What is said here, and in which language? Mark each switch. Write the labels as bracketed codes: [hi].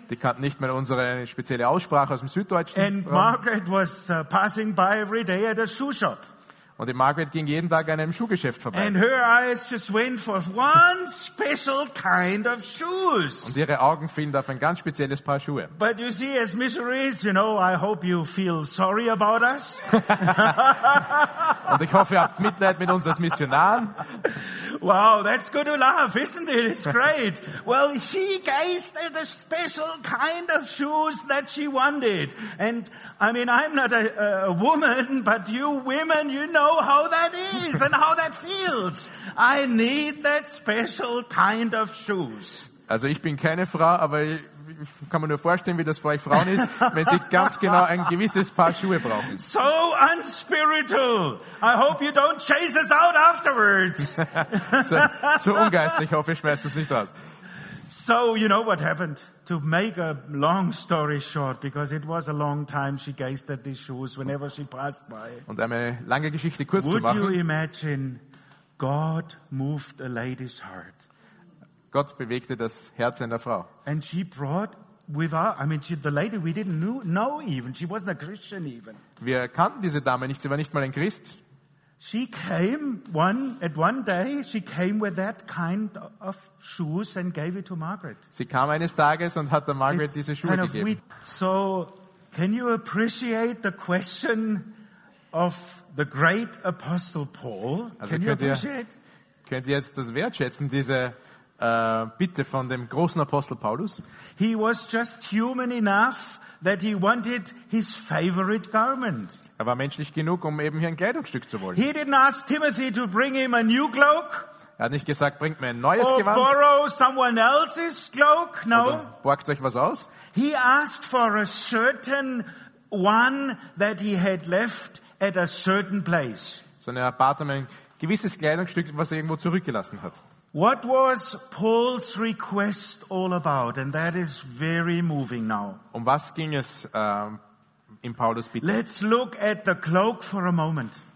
[de] Die kannten nicht mal unsere spezielle Aussprache aus dem Süddeutschen. [en] And Margaret was passing by every day at a shoe shop. [de] Und die Margaret ging jeden Tag an einem Schuhgeschäft vorbei. [en] And her eyes just went for one special kind of shoes. [de] Und ihre Augen fielen auf ein ganz spezielles Paar Schuhe. [en] But you see, as missionaries, you know, I hope you feel sorry about us. [de] Und ich hoffe, ihr habt Mitleid mit uns als Missionaren. [en] Wow, that's good to laugh, isn't it? It's great. Well, she gazed at a special kind of shoes that she wanted. And, I mean, I'm not a woman, but you women, you know how that is and how that feels. I need that special kind of shoes. [de] Also, ich bin keine Frau, aber ich kann mir nur vorstellen, wie das für euch Frauen ist, wenn sie ganz genau ein gewisses Paar Schuhe brauchen. [en] So unspiritual. I hope you don't chase us out afterwards. [de] So ungeistlich. Ich hoffe, ich schmeiß es nicht aus. [en] So, you know what happened? To make a long story short, because it was a long time she gazed at these shoes whenever she passed by. [de] Und eine lange Geschichte kurz [en] Would [de] zu machen. [en] Would you imagine God moved a lady's heart? [de] Gott bewegte das Herz einer Frau. [en] And she brought with her, I mean, the lady we didn't know even. She wasn't a Christian even. [de] Wir kannten diese Dame nicht, sie war nicht mal ein Christ. [en] She came one day with that kind of shoes and gave it to Margaret. [de] Sie kam eines Tages und hat der Margaret diese Schuhe gegeben. [en] So Can you appreciate the question of the great Apostle Paul? [de] Also könnt ihr jetzt das wertschätzen, diese Bitte von dem großen Apostel Paulus? [en] He was just human enough that he wanted his favorite garment. [de] Er war menschlich genug, um eben hier ein Kleidungsstück zu wollen. [en] He didn't ask Timothy to bring him a new cloak. [de] Er hat nicht gesagt, bringt mir ein neues [en] or [de] Gewand. [en] Borrow someone else's cloak. No. [de] Oder borgt euch was aus. [en] He asked for a certain one that he had left at a certain place. [de] Sondern er bat um ein gewisses Kleidungsstück, was er irgendwo zurückgelassen hat. [en] What was Paul's request all about? And that is very moving now. [de] Um was ging es in Paulus' Bitte? [en] Let's look at the cloak for a moment.